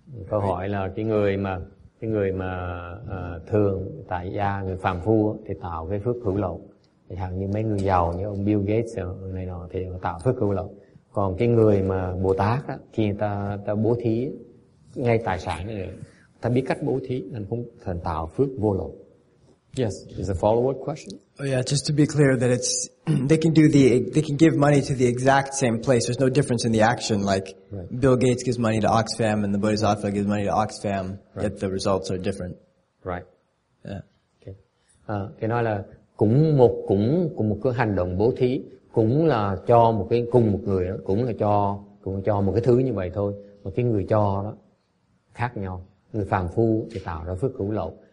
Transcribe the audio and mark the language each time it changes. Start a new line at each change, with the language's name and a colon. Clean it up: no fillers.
Vietnamese: Câu hỏi là cái người mà thường tại gia người phàm phu thì tạo cái phước hữu lậu, thì hàng như mấy người giàu như ông Bill Gates này nọ thì tạo phước hữu lậu. Còn cái người mà Bồ Tát á, khi ta bố thí ngay tài sản này, ta biết cách bố thí nên không thần tạo phước vô lậu.
English: Yes, is a follow-up question. Oh yeah, just to be clear that it's they can give money to the exact same place. There's no difference in the action. Like right. Bill Gates gives money to Oxfam and the Bodhisattva gives money to Oxfam, right. Yet the results are different. Right. Yeah. Okay.
Vietnamese: Cái nói là cũng một cái hành động bố thí cũng là cho một cái cùng một người đó, cũng là cho một cái thứ như vậy thôi. Mà cái người cho đó khác nhau. Người phàm phu thì tạo ra phước hữu lậu.